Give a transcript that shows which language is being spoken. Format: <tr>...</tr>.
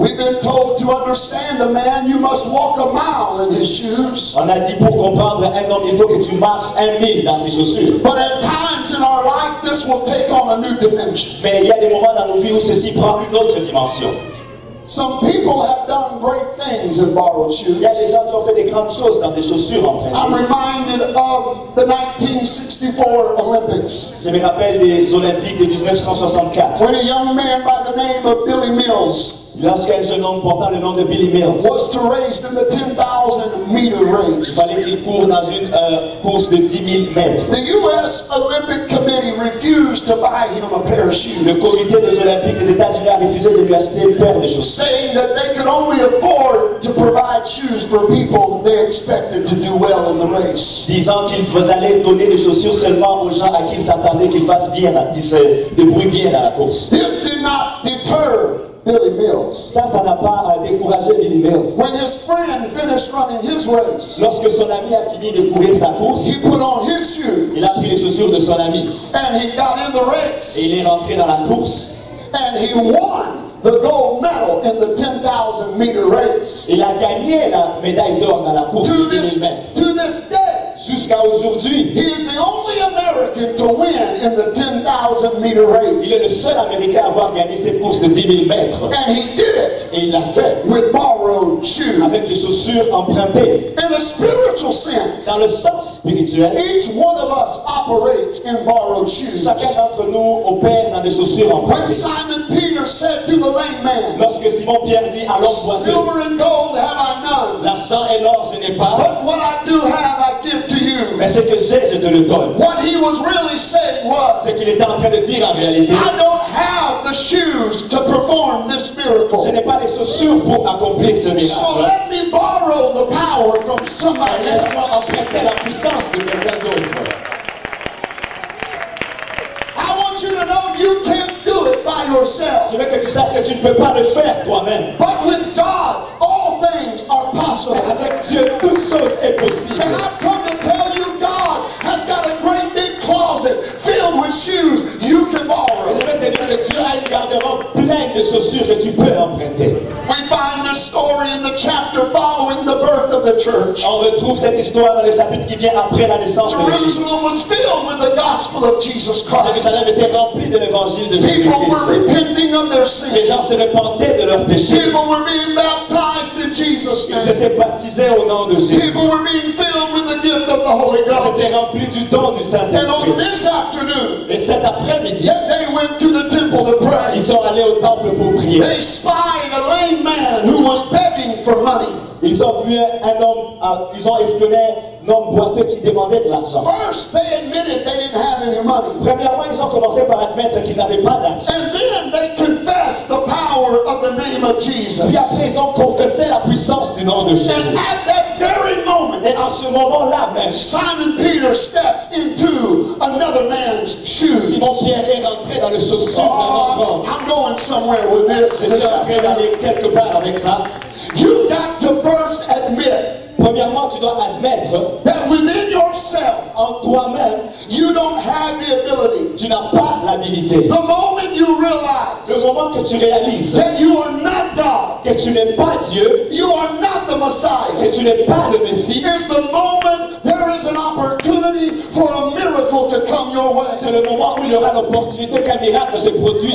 <en>We've been told to understand a man, you must walk a mile in his shoes.</en> <fr>On a dit pour comprendre un homme, il faut que tu marches un mille dans ses chaussures.</fr> <en>But at times in our life, this will take on a new dimension.</en> <fr>Mais il y a des moments dans nos vies où ceci prend une autre dimension.</fr> <en>Some people have done great things in borrowed shoes.</en> <fr>Il y a des gens qui ont fait des grandes choses dans des chaussures en fait.</fr> <en>I'm reminded of the 1964 Olympics.</en> <fr>Je me rappelle des Olympiques de 1964.</fr> <en>When a young man by the name of Billy Mills.</en> <fr>Lorsqu'un jeune homme portant le nom de Billy Mills.</fr> <en>Was to race in the 10,000 meter race.</en> <fr>Il fallait qu'il court dans une course de 10 000 mètres.</fr> <en>The U.S. Olympic Committee refused to buy him a pair of shoes.</en> <fr>Le comité des Olympiques des États-Unis a refusé de lui acheter une paire de chaussures.</fr> <en>Saying that they could only afford to provide shoes for people they expected to do well in the race.</en> <fr>Disant qu'il vous allait donner des chaussures seulement aux gens à qui il s'attendait qu'ils fassent bien, qu'ils se débrouillent bien à la course.</fr> <en>This did not deter Billy Mills.</en> <fr>Ça n'a pas découragé Billy Mills.</fr> <en>When his friend finished running his race,</en> <fr>lorsque son ami a fini de courir sa course,</fr> <en>he put on his shoes.</en> <fr>Il a pris les chaussures de son ami.</fr> <en>And he got in the race.</en> <fr>Et il est rentré dans la course.</fr> <en>And he won the gold medal in the 10,000 meter race.</en> <fr>Il a gagné la médaille d'or dans la course de 10 000 mètres.</fr> <en>To this day,</en> <fr>jusqu'à aujourd'hui,</fr> <en>he is the only American to win in the 10,000 meter race.</en> <fr>Il est le seul Américain à avoir gagné cette course de 10 000 mètres.</fr> <en>And he did it.</en> <fr>Et il l'a fait.</fr> <en>With borrowed shoes.</en> <fr>Avec des chaussures empruntées.</fr> <en>In a spiritual sense.</en> <fr>Dans le sens spirituel.</fr> <en>Each one of us operates in borrowed shoes.</en> <fr>Chacun d'entre nous opère dans des chaussures empruntées.</fr> <en>When Simon Peter said to the lame man.</en> <fr>Lorsque Simon Pierre dit à l'homme boiteux.</fr> <en>Silver and gold have I none.</en> <fr>L'argent et l'or je n'ai pas.</fr> <en>But what I do have I give to you.</en> <fr>Mais ce que j'ai, je te le donne.</fr> <en>What he was really saying was.</en> <fr>Ce qu'il était en train de dire en réalité.</fr> <en>I don't have the shoes to perform this miracle.</en> <fr>Je n'ai pas les chaussures pour accomplir ce miracle.</fr> <en>So let me borrow the power from somebody else.</en> <fr>Laisse-moi emprunter la puissance de quelqu'un d'autre.</fr> <en>I want you to know you can't do it by yourself.</en> <fr>Je veux que tu saches que tu ne peux pas le faire toi-même.</fr> <en>But with God, all things are possible.</en> <fr>Mais avec Dieu, toute chose est possible.</fr> <en>And I've come to tell you, God has got a great big closet filled with shoes you can borrow.</en> <fr>Je veux te dire que Dieu a une garde-robe pleine de chaussures que tu peux emprunter.</fr> <en>We find this story in the chapter following the birth of the church.</en> <fr>On retrouve cette histoire dans le chapitre qui vient après la naissance de Jésus.</fr> <en>Jerusalem was filled with the gospel of Jesus Christ.</en> <fr>Jérusalem était remplie de l'évangile de</fr> <en>Jésus-Christ. People were repenting of their sins.</en> <fr>Les gens se repentaient de leurs péchés.</fr> <en>People were being baptized in Jesus' name.</en> <fr>Ils étaient baptisés au nom de Jésus.</fr> <en>People were being filled with the gift of the Holy Ghost.</en> <fr>Ils étaient remplis du don du Saint-Esprit.</fr> <en>And on this afternoon,</en> <fr>et cet après-midi,</fr> <en>they went to the temple to pray.</en> <fr>Ils sont allés au temple pour prier.</fr> <en>They spied a lame man who was begging for money.</en> <fr>Ils ont vu un homme, ils ont espionné un homme boiteux qui demandait de l'argent.</fr> <en>First, they admitted they didn't have any money.</en> <fr>Premièrement, ils ont commencé par admettre qu'ils n'avaient pas d'argent.</fr> <en>And then they confessed the power of the name of Jesus.</en> <fr>Puis après, ils ont confessé la puissance du nom de Jésus.</fr> <en>And at that very moment,</en> <fr>Mais en ce moment-là même,</fr> <en>Simon Peter stepped into another man's shoes.</en> <fr>Simon Pierre est rentré dans les chaussures d'un enfant.</fr> <en>I'm going somewhere with this.</en> <fr>Je suis en train d'aller quelque part avec ça.</fr> <en>You've got to first admit.</en> <fr>Premièrement, tu dois admettre</fr> <en>that within yourself,</en> <fr>en toi-même,</fr> <en>you don't have the ability.</en> <fr>Tu n'as pas l'habilité.</fr> <en>The moment you realize,</en> <fr>le moment que tu réalises</fr> <en>that you are not God,</en> <fr>que tu n'es pas Dieu,</fr> <en>you are not the Messiah,</en> <fr>que tu n'es pas le Messie,</fr> <en>is the moment there is an opportunity for a miracle to come your way.</en> <fr>C'est le moment où il y aura l'opportunité qu'un miracle se produise.</fr>